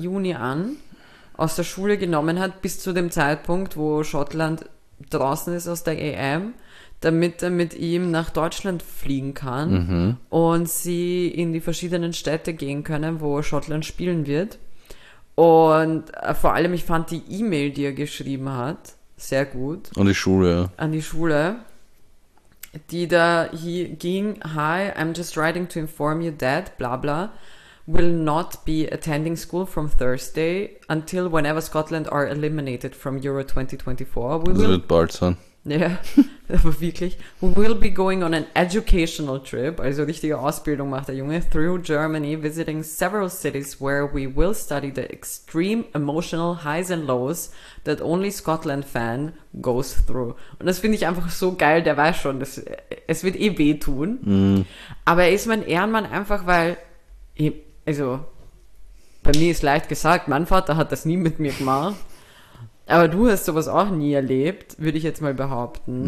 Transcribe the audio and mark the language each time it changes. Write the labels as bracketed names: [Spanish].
[German] Juni an aus der Schule genommen hat, bis zu dem Zeitpunkt, wo Schottland draußen ist aus der EM, damit er mit ihm nach Deutschland fliegen kann und sie in die verschiedenen Städte gehen können, wo Schottland spielen wird. Und vor allem, ich fand die E-Mail, die er geschrieben hat, sehr gut Und die Schule, an die Schule, die da hier ging: [English] Hi, I'm just writing to inform you that, bla bla, will not be attending school from Thursday until whenever Scotland are eliminated from Euro 2024. We [German] das [English] will. [German] wird bald sein. Ja, aber wirklich. [English] We will be going on an educational trip, [German] also richtige Ausbildung macht der Junge, [English] through Germany, visiting several cities where we will study the extreme emotional highs and lows that only Scotland fan goes through. [German] Und das finde ich einfach so geil, der weiß schon, dass, es wird eh wehtun. Aber er ist mein Ehrenmann einfach, weil, also, bei mir ist leicht gesagt, mein Vater hat das nie mit mir gemacht. Aber du hast sowas auch nie erlebt, würde ich jetzt mal behaupten.